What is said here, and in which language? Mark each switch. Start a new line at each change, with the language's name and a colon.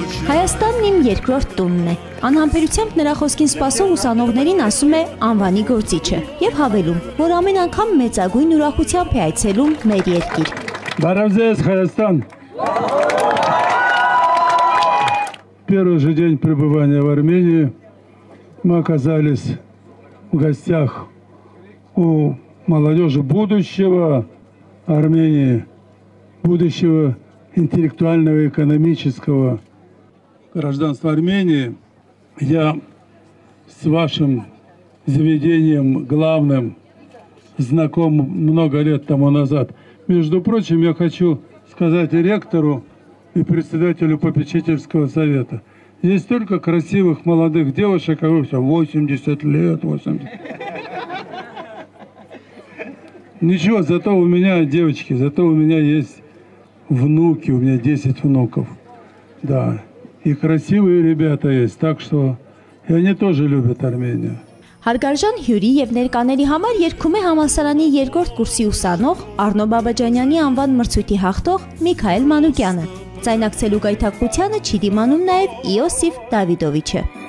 Armenian: Հայաստանն իմ երկրորդ տունն է։ Անհամբերությամբ նրա խոսքին սպասող ուսանողներին ասում է անվանի գործիչը եւ հավելում, որ ամեն անգամ մեծագույն ուրախությամբ է այցելում մեր երկիր։ Բարև ձեզ, Հայաստան։
Russian: Первый же день пребывания в Армении мы оказались в гостях у молодежи будущего Армении, будущего интеллектуального и экономического гражданства Армении. Я с вашим заведением главным знаком много лет тому назад. Между прочим, я хочу сказать ректору и председателю попечительского совета. Есть столько красивых молодых девушек, а вы все 80 лет, 80. Ничего, зато у меня, девочки, зато у меня есть внуки, у меня 10 внуков. Да, и красивые ребята есть, так что и они тоже любят Армению.
Armenian: Հարգարժան հյուրի և ներկաների համար երգում է համալսարանի երկրորդ կուրսի ուսանող Արնո Բաբաջանյանի անվան մրցույթի հաղթող Միքայել Մանուկյանը։ Ձայնակցելու գայթակղությանը չի դիմանում նաև Իոսիֆ Դավիդովիչը։